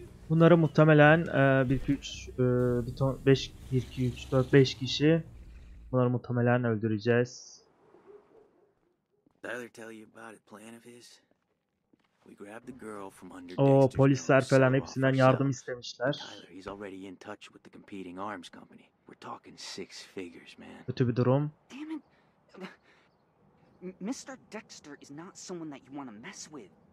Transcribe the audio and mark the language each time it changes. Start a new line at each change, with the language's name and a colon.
Turkish: Bunları muhtemelen 1-2-3-4-5 kişi. Bunları muhtemelen öldüreceğiz.
English: Tyler tell you about it, plan of his. We grabbed the girl from under Dexter's.
Turkish: Oh, polisler falan hepsinden yardım istemişler.
English: Tyler, he's already in touch with the competing arms company. We're talking six figures, man.
Turkish: Kötü bir durum.
English: Damn it. Mr. Dexter is not someone that you want to mess with.